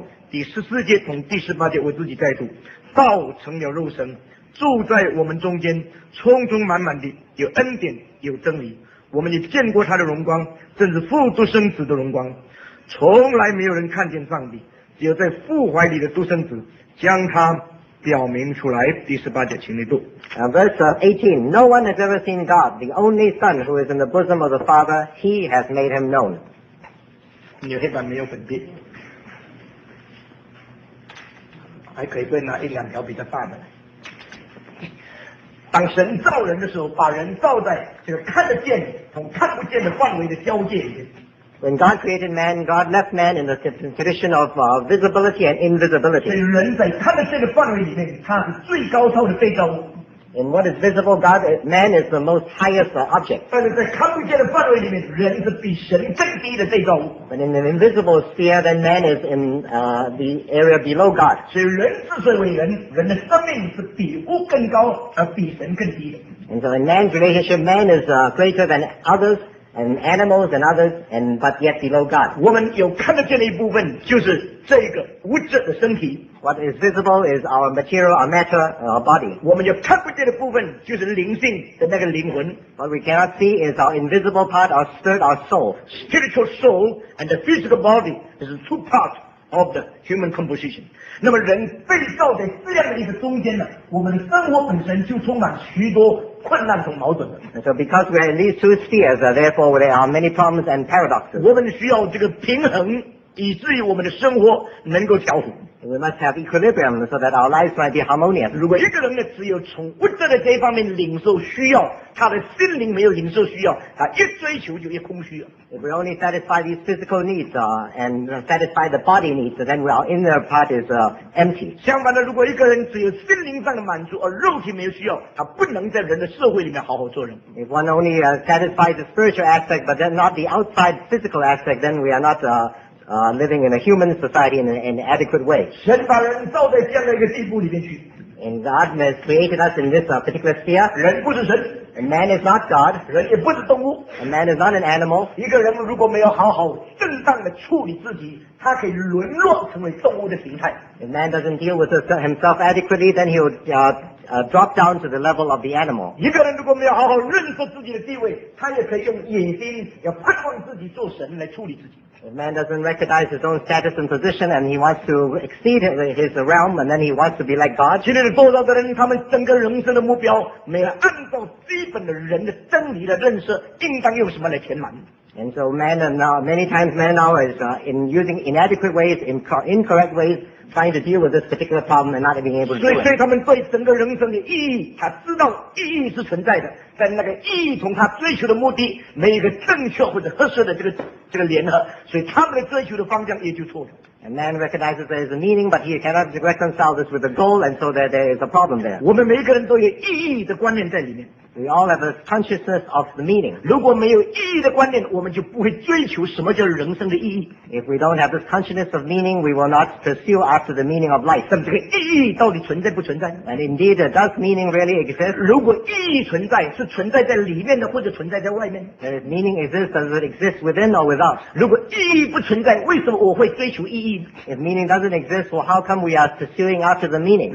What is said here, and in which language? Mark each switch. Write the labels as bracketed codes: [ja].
[zh] 第十四节从第十八节我自己再读，道成了肉身，住在我们中间，充充满满的，有恩典，有真理。我们也见过他的荣光，正是父独生子的荣光。从来没有人看见上帝，只有在父怀里的独生子将他表明出来。第十八节请你读。 [en] Verse 18, No one has ever seen God, the only Son who is in the bosom of the Father, He has made Him known. [zh] 你有黑板没有粉笔，还可以再拿一两条笔的范本。当神造人的时候，把人造在这个看得见同看不见的范围的交界里面。 [en] When God created man, God left man in the condition of visibility and invisibility. [zh] 所以人在他的这个范围里面，他是最高超的最高物。 [en] In what is visible, God, man is the most highest object. [zh] 但是在看不见的范围里面，人是比神更低的最高物。 [en] But in an invisible sphere, then man is in the area below God. [zh] 所以人之所以为人，人的生命是比物更高，而比神更低的。 [en] And so in man's relationship, man is greater than others. And animals and others, and but yet below God. [zh] 我们有看得见的一部分就是这个物质的身体。 [en] What is visible is our material, our matter, our body. [zh] 我们有看不见的部分就是灵性的那个灵魂。 [en] What we cannot see is our invisible part, our spirit, our soul. Spiritual soul and the physical body is two parts of the human composition. [zh] 那么人被造在这样的一个中间呢，我们的生活本身就充满许多困难和矛盾。 [en] So because we are in these two spheres, therefore there are many problems and paradoxes. [zh] 我们需要这个平衡，以至于我们的生活能够调和。 [en] We must have equilibrium so that our lives might be harmonious. [zh] 如果一个人呢，只有从物质的这一方面领受需要，他的心灵没有领受需要，他一追求就一空虚了。 [en] If we only satisfy these physical needs and satisfy the body needs, then our inner part is empty. [zh] 相反的，如果一个人只有心灵上的满足而肉体没有需要，他不能在人的社会里面好好做人。 [en] If one only satisfies the spiritual aspect but then not the outside physical aspect, then we are not living in a human society in an adequate way. [zh] 神把人造在这样的一个地步里面去。 [en] And God has created us in this particular sphere. [zh] 人不是神。 [en] And man is not God. [zh] 人也不是动物。 [en] And man is not an animal. [zh] 一个人如果没有好好正当的处理自己，他可以沦落成为动物的形态。 [en] If man doesn't deal with himself adequately, then he would drop down to the level of the animal. [zh] 一个人如果没有好好认识自己的地位，他也可以用野心要判断自己做神来处理自己。 [en] If man doesn't recognize his own status and position, and he wants to exceed his realm, and then he wants to be like God. [zh] 今天报道的人，他们整个人生的目标没有按照基本的人的真理的认识，应当用什么来填满？ [en] And so men are now, many times men now is in using inadequate ways, incorrect ways, trying to deal with this particular problem and not being able to do it. [zh] 所以他们对整个人生的意义，他知道意义是存在的，但那个意义同他追求的目的没有一个正确或者合适的这个联合，所以他们的追求的方向也就错了。 [en] And man recognizes there is a meaning, but he cannot reconcile this with a goal, and so there is a problem there. [zh] 我们每个人都有意义的观念在里面。 [en] We all have a consciousness of the meaning. [zh] 如果没有意义的观念, 我们就不会追求什么叫人生的意义。 [en] If we don't have this consciousness of meaning, we will not pursue after the meaning of life. [zh] 那么这个意义到底存在不存在? [en] And indeed, does meaning really exist? [zh] 如果意义存在, 是存在在里面的, 或者存在在外面? [en] And if meaning exists, does it exist within or without? [zh] 如果意义不存在, 为什么我会追求意义? [en] If meaning doesn't exist, well, how come we are pursuing after the meaning?